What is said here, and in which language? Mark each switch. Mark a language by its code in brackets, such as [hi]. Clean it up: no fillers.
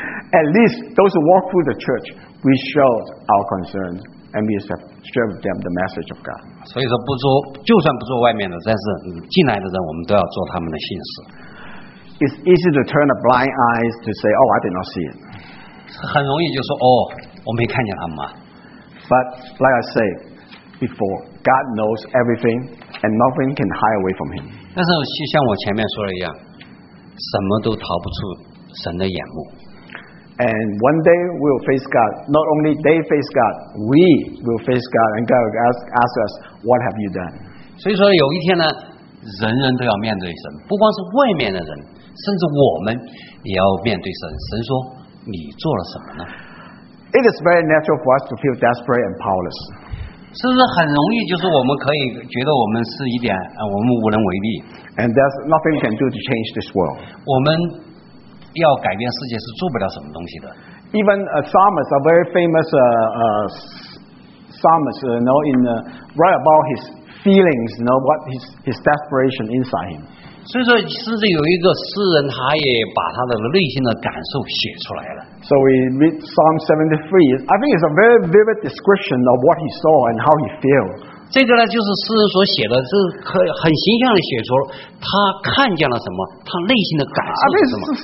[en] At least those who walk through the church, we show our concern and we share with them the message of God. [zh] 所以说不做，就算不做外面的，但是进来的人，我们都要做他们的信使。 [en] It's easy to turn a blind eye to say, "Oh, I did not see it." [zh] 很容易就说哦，我没看见他们。 [en] But like I say before, God knows everything, and nothing can hide away from Him. [zh] 但是像我前面说的一样，什么都逃不出神的眼目。 [en] And one day we will face God. Not only they face God, we will face God, and God will ask us, "What have you done?" [zh] 所以说有一天呢，人人都要面对神，不光是外面的人。甚至我们也要面对神。神说：“你做了什么呢？” [en] It is very natural for us to feel desperate and powerless. [zh] 是不是很容易就是我们可以觉得我们是一点我们无能为力 [en] ？And there's nothing can do to change this world. [zh] 我们要改变世界是做不了什么东西的。 [en] Even a psalmist, a very famous psalmist, you know, in write about his feelings, you know, what his desperation inside him. [zh] 所以说，甚至有一个诗人，他也把他的内心的感受写出来了。 [en] So we read Psalm 73. I think it's a very vivid description of what he saw and how he felt. [zh] 这个呢，就是诗人所写的，是很形象的写出他看见了什么，他内心的感受是什么。